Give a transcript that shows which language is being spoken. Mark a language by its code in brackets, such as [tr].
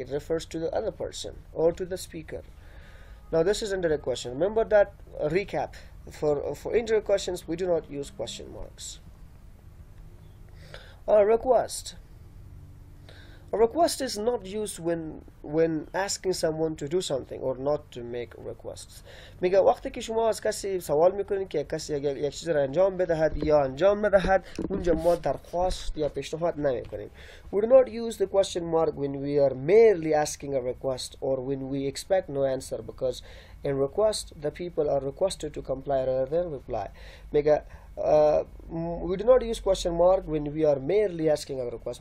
[en] It refers to the other person or to the speaker. Now this is indirect question. Remember that. Recap: for indirect questions, we do not use question marks. A request is not used when asking someone to do something or not to make requests. [fa] میگه وقتی که شما از کسی سوال میکنید که کسی اگر یک چیز را انجام بدهد یا انجام ندهد، اونجا ما درخواست یا پیشنهاد نمیکنیم. [en] We do not use the question mark when we are merely asking a request or when we expect no answer, because in request the people are requested to comply rather than reply. [fa] میگه [en] we do not use question mark when we are merely asking a request.